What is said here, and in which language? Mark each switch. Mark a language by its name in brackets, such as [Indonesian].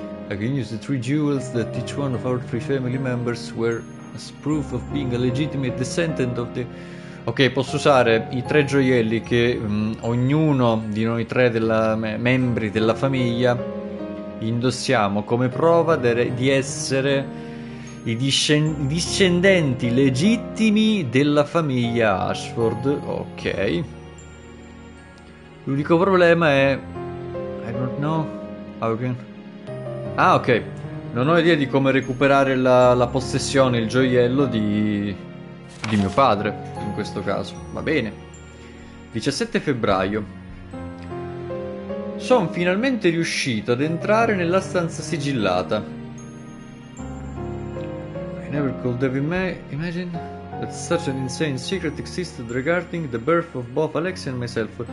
[English] I can use the three jewels that each one of our three family members were as proof of being a legitimate descendant of the... [Italian] Ok, posso usare i tre gioielli che ognuno di noi tre membri della famiglia indossiamo come prova di essere i discendenti legittimi della famiglia Ashford. Ok. L'unico problema è... [English] I don't know. Again. [Italian] Ah, ok. Non ho idea di come recuperare la possessione, il gioiello di mio padre, in questo caso. Va bene. 17 febbraio. Sono finalmente riuscito ad entrare nella stanza sigillata. [English] I never could have imagined that such an insane secret existed regarding the birth of both Alexei and myself.